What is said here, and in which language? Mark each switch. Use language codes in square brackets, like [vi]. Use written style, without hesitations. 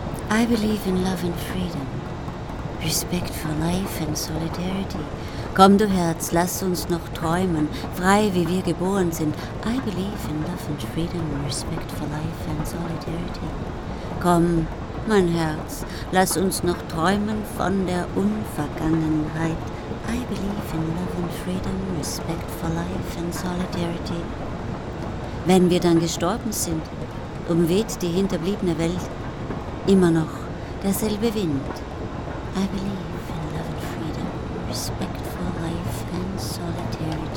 [en] I believe in love and freedom, respect for life and solidarity. [de] Komm, du Herz, lass uns noch träumen, frei wie wir geboren sind. [en] I believe in love and freedom, respect for life and solidarity. [de] Komm, mein Herz, lass uns noch träumen von der Unvergangenheit. [en] I believe in love and freedom, respect for life and solidarity. [de] Wenn wir dann gestorben sind, umweht die hinterbliebene Welt immer noch derselbe Wind. [en] I believe in love and freedom, respect for life and solidarity.